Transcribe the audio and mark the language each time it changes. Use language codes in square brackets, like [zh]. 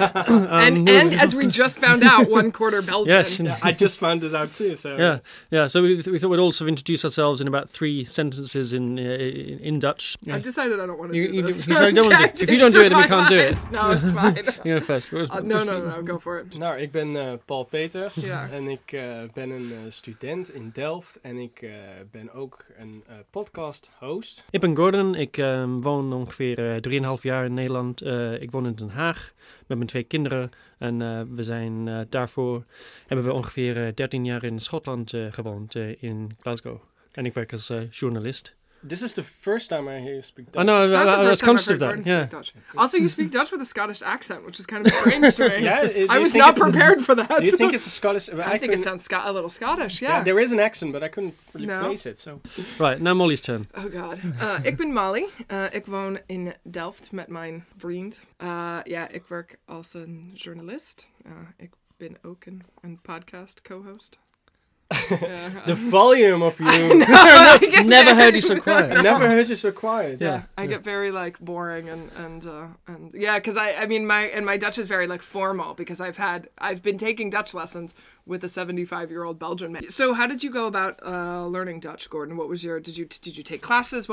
[en] and as we just found out, one quarter Belgian. Yes, yeah. I just found this out too. So So we thought we'd also introduce ourselves in about three sentences in Dutch. Yeah. I've decided I don't want to do this. If you don't do it, then we can't do it. No, it's fine. You go first. No, go for it. [nl] No, ik ben Paul Peter en ik ben een student in Delft en ik ben ook een podcast host. Ik ben Gordon, ik woon ongeveer 3,5 jaar in Nederland. Ik woon in Den Haag met mijn twee kinderen en we zijn daarvoor hebben we ongeveer 13 jaar in Schotland gewoond in Glasgow. En ik werk als journalist. [en] This is the first time I hear you speak Dutch. I know, I was conscious of that. Also, you speak Dutch with a Scottish accent, which is kind of strange to me. Yeah, I was not prepared for that. Do you think it's a Scottish accent? I think it sounds a little Scottish, yeah. There is an accent, but I couldn't really place it. So. Right, now Molly's turn. Oh, God. [nl] Ik ben Molly. Ik woon in Delft met mijn vriend. Ik werk als een journalist. Ik ben ook een podcast co-host. [en] The volume of you. Never heard you so quiet. Never heard you so quiet. Yeah. I get very like boring because my Dutch is very like formal because I've been taking Dutch lessons with a 75-year-old Belgian man. So how did you go about learning Dutch, Gordon? What was your did you take classes?